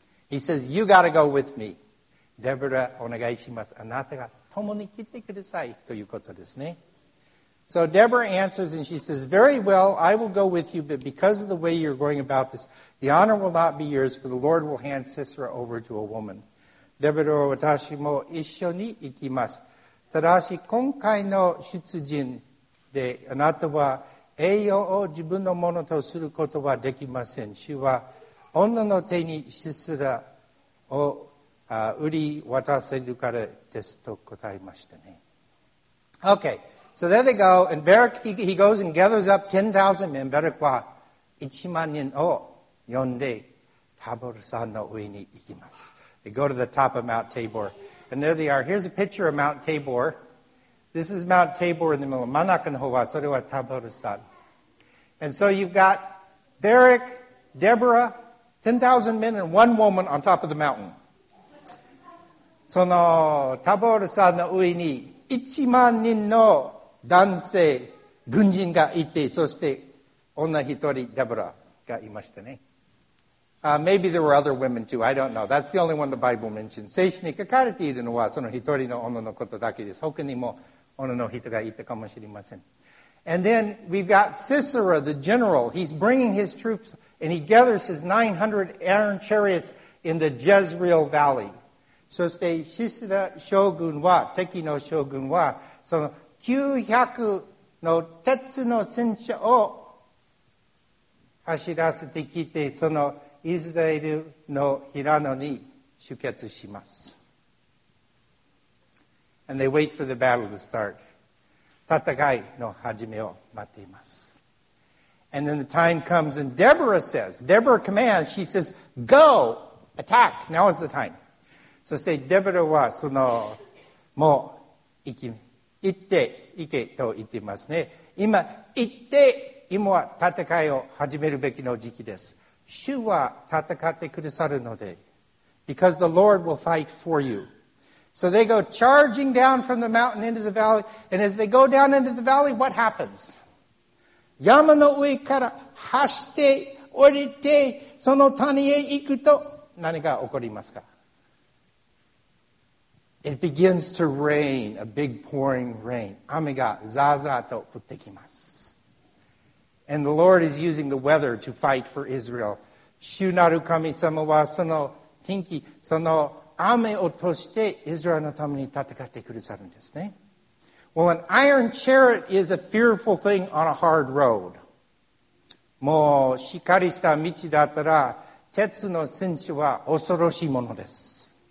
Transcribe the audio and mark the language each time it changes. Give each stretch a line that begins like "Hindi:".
English: He says, you gotta go with me.
Japanese: デブラ、お願いします。あなたが共に来てくださいということですね。
English: So Deborah answers and she says, very well, I will go with you, but because of the way you're going about this, the honor will not be yours, for the Lord will hand Sisera over to a woman.
Japanese: Deborah は私も一緒に行きます。ただし今回の出陣であなたは栄養を自分のものとすることはできません。主は女の手にSiseraを売り渡せるからですと答えましたね。
English: Okay. So there they go, and Barak, he goes and gathers up 10,000 men.
Japanese: Barak は1万人を呼んで、タボル山の上に行きます。
English: They go to the top of Mount Tabor. And there they are. Here's a picture of Mount Tabor. This is Mount Tabor in the middle.
Japanese: 真ん中の方は、それはタボル山。
English: And so you've got Barak, Deborah, 10,000 men and one woman on top of the mountain.
Japanese: そのタボル山の上に、1万人の男性軍人がいて、そして女一人デブラがいましたね。
English: Maybe there were other women too. I don't know. That's the only one the Bible mentions.
Japanese: 聖書に書かれているのはその一人の女のことだけです。他にも女の人がいたかもしれません。
English: And then we've got Sisera, the general. He's bringing his troops and he gathers his 900 iron chariots in the Jezreel Valley.
Japanese: そして、シスラ将軍は、敵の将軍は、その900の鉄の戦車を走らせてきて、そのイスラエルの平野に集結します。
English: And they wait for the battle to start.
Japanese: 戦いの始めを待っています。
English: And then the time comes and Deborah says, Deborah commands, she says, go, attack, now is the time.
Japanese: そしてデボラはそのもう行って行けと言っていますね。今行って今は戦いを始めるべきの時期です。主は戦ってくださるので。
English: Because the Lord will fight for you. So they go charging down from the mountain into the valley. And as they go down into the valley, what happens?
Japanese: 山の上から走って降りてその谷へ行くと何が起こりますか？
English: It begins to rain, a big pouring rain.
Japanese: 雨がザーザーと降ってきます。
English: And the Lord is using the weather to fight for Israel.
Japanese: 主なる神様はその天気、その雨を通してイスラエルのために戦ってくださるんですね。
English: Well, an iron chariot is a fearful thing on a hard road.
Japanese: もうしっかりした道だったら、鉄の戦車は恐ろしいものです。